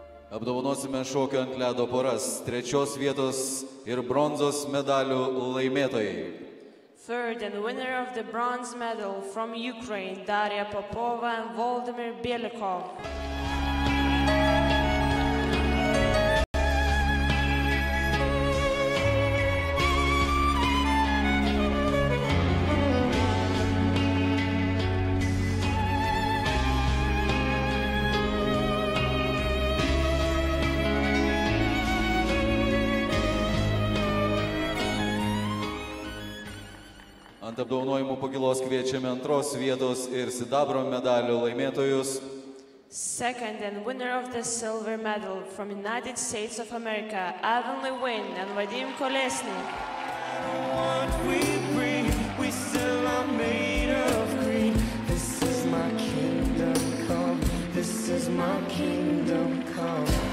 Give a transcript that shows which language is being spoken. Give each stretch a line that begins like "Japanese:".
Lithuanian: Apdovanosime šokio ant ledo poras, trečios vietos ir bronzos medalių laimėtojai.
English: Third and winner of the bronze medal from Ukraine, Daria Popova and Volodymyr Bielikov.
Lithuanian: Apdovanojimų pagilos kviečiame antros vietos ir sidabro medalių laimėtojus.
English: Second and winner of the silver medal from United States of America, Evan Lewin and Vadim Kolesnik. What we bring, we still are made of green. This is my kingdom come, this is my kingdom come.